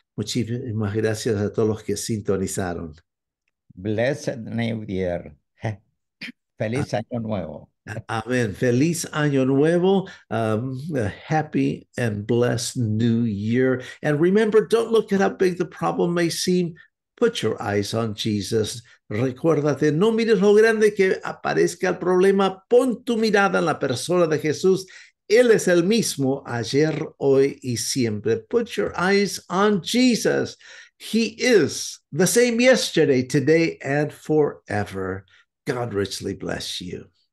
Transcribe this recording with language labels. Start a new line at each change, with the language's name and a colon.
Spanish: Muchísimas gracias a todos los que sintonizaron.
English: Blessed New Year.
Spanish: Feliz Año Nuevo.
English: Amen.
Spanish: Feliz Año Nuevo.
English: Happy and blessed New Year. And remember, don't look at how big the problem may seem. Put your eyes on Jesus.
Spanish: Recuérdate, no mires lo grande que aparezca el problema. Pon tu mirada en la persona de Jesús. Él es el mismo ayer, hoy y siempre.
English: Put your eyes on Jesus. He is the same yesterday, today, and forever. God richly bless you.